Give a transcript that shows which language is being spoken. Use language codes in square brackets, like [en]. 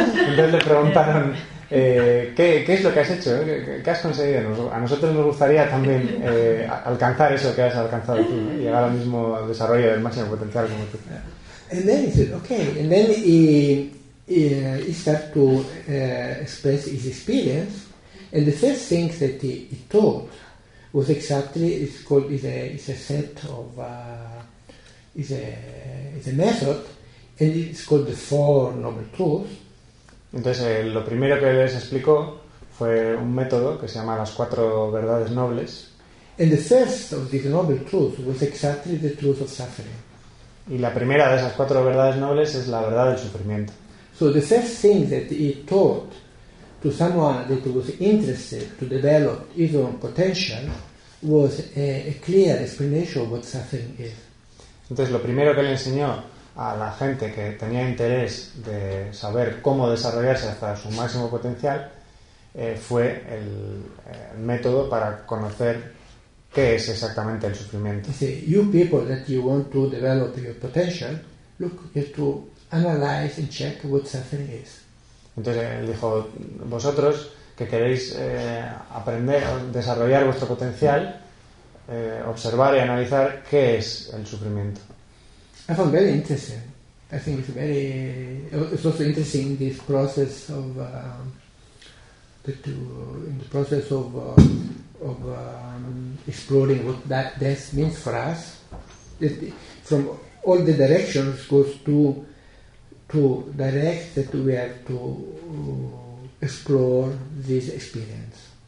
[es] Entonces le preguntaron, ¿qué es lo que has hecho? ¿Qué has conseguido? A nosotros nos gustaría también alcanzar eso que has alcanzado tú, ¿no? Llegar al mismo desarrollo del máximo potencial como tú. [en] And then he said, okay. And then he started to express his experience, and the first thing that he taught was exactly it's a method, and it's called the Four Noble Truths. [es] Entonces lo primero que les explicó fue un método que se llama las cuatro verdades nobles. [en] And the first of these noble truths was exactly the truth of suffering. [es] Y la primera de esas cuatro verdades nobles es la verdad del sufrimiento. [en] So the first thing that he taught to someone that was interested to develop his own potential was a clear explanation of what suffering is. [es] Entonces lo primero que le enseñó a la gente que tenía interés de saber cómo desarrollarse hasta su máximo potencial fue el método para conocer qué es exactamente el sufrimiento. [en] See, you people that you want to develop your potential, look at to analyze and check what suffering is. [es] Entonces él dijo, vosotros que queréis aprender o desarrollar vuestro potencial, observar y analizar qué es el sufrimiento. [en] I found very interesting. I think it's very. It's also interesting this process of exploring what that death means for us. It, from all the directions goes to direct that we have to explore this experience.